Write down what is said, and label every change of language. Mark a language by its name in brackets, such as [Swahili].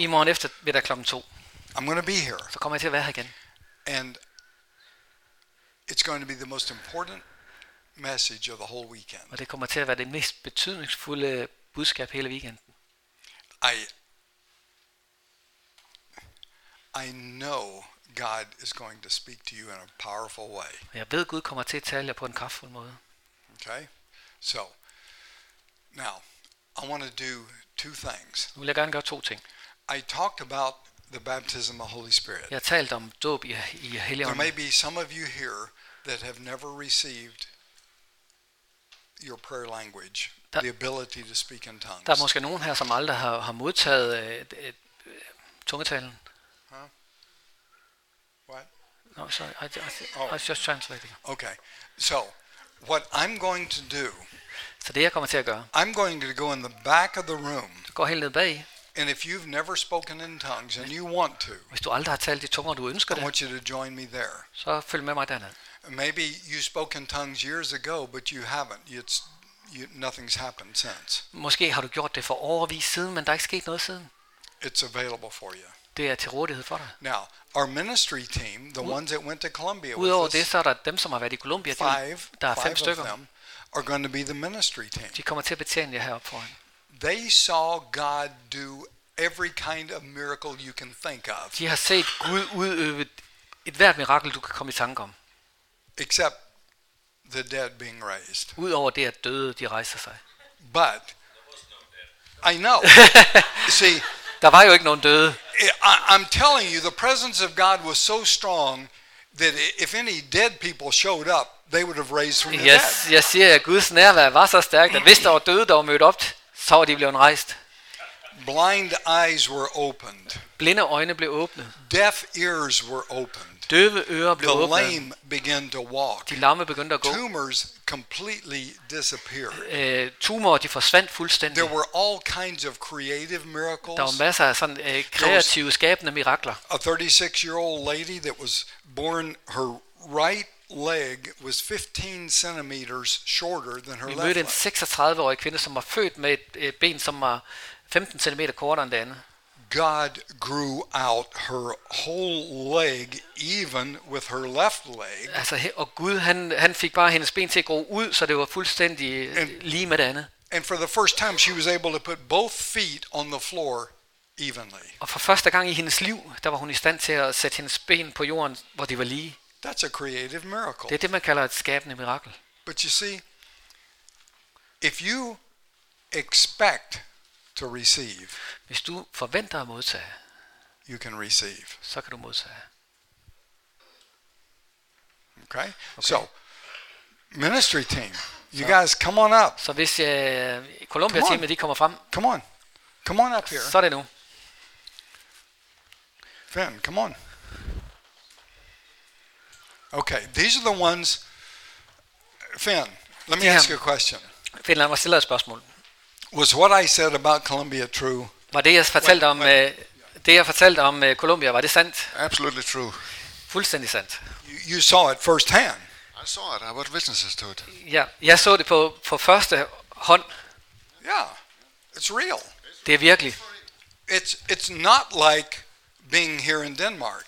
[Danish] I morgen efter ved der klokken 2. [English] I'm going to be here. [Danish] Så kommer jeg til at være her igen. [English] And it's going to be the most important message of the whole weekend. [Danish] Og det kommer til at være det mest betydningsfulde budskab hele weekenden. [English] I know God is going to speak to you in a powerful way. [Danish] Jeg ved Gud kommer til at tale jer på en kraftfuld måde. [English] Okay. So now I want to do two things. [Danish] Nu vil jeg gerne gøre to ting. [English] I talked about the baptism of the Holy Spirit. [Danish] Jeg talte om dåb i Helligånden. [English] There may be some of you here that have never received your prayer language, the ability to speak in tongues. [Danish] Der er måske nogen her som aldrig har modtaget tungetalen. [English] No, sorry. I was just translating. Okay. So, what I'm going to do? [Danish] Så det jeg kommer til at gøre. [English] I'm going to go in the back of the room. [Danish] Gå helt ned bag. [English] And if you've never spoken in tongues and you want to. [Danish] Hvis du aldrig har talt i tunger, du ønsker det. [English] I want you to join me there. [Danish] Så følg med mig derned. [English] Maybe you spoke in tongues years ago, but you haven't. Nothing's happened since. [Danish] Måske har du gjort det for årevis siden, men der er ikke sket noget siden. [English] It's available for you. [Danish] Det er til rådighed for dig. [English] Now, our ministry team, the ones that went to Columbia, [Danish] udover det, så er der dem, som har været i Columbia, der er fem stykker. [English] Five of them are going to be the ministry team. [Danish] De kommer til at betjene jer heroppe foran. [English] They saw God do every kind of miracle you can think of. [Danish] De har set Gud udøve et hvert mirakel, du kan komme i tanke om. [English] Except the dead being raised. [Danish] Udover det, at døde, de rejser sig. [English] But, I know. See, [Danish] der var jo ikke nogen døde. [English] I'm telling you, the presence of God was so strong that if any dead people showed up, they would have raised from the yes, dead. [Danish] Jeg siger, at Guds nærvær var så stærkt, at hvis der var døde, der var mødt op, så var de blevet rejst. [English] Blind eyes were opened. [Danish] Blinde øjne blev åbnet. [English] Deaf ears were opened. [Danish] Døve ører blev åbnet. [English] The lame began to walk. [Danish] De lamme begyndte at gå. [English] Tumors completely disappeared. [Danish] Tumorer, de forsvandt fuldstændig. [English] There were all kinds of creative miracles. [Danish] Der var masser af sådan kreative skabende mirakler. [English] A 36-year-old lady that was born, her right leg was 15 centimeters shorter than her left leg. [Danish] Vi mødte en 36-årig kvinde, som var født med et ben, som var 15 centimeter kortere end det andet. [English] God grew out her whole leg, even with her left leg. [Danish] Altså, og Gud, han fik bare hendes ben til at gro ud, så det var fuldstændig lige med det andet. [English] And for the first time, she was able to put both feet on the floor evenly. [Danish] Og for første gang i hendes liv, der var hun i stand til at sætte hendes ben på jorden, hvor de var lige. [English] That's a creative miracle. [Danish] Det er det, man kalder et skabende mirakel. [English] But you see, if you expect to receive. [Danish] Hvis du forventer at modtage, [English] you can receive. [Danish] Så kan du modtage. [English] Okay. So, ministry team, you guys come on up. [Danish] Så hvis Columbia teamet de kommer frem. [English] Come on. Come on up here. [Danish] Så er det nu. [English] Finn, come on. Okay, these are the ones. Finn, let me ask you a question. [Danish] Finn, lad mig stille et spørgsmål. [English] Was what I said about Columbia true? [Danish] Var det jeg fortalte om det jeg fortalte om Columbia, var det sandt? [English] Absolutely true. [Danish] Fuldstændig sandt. [English] You saw it firsthand. I saw it. I was witnesses to it. [Danish] Ja, jeg så det på første hånd. [English] Yeah, it's real. [Danish] Det er virkelig. [English] It's not like being here in Denmark.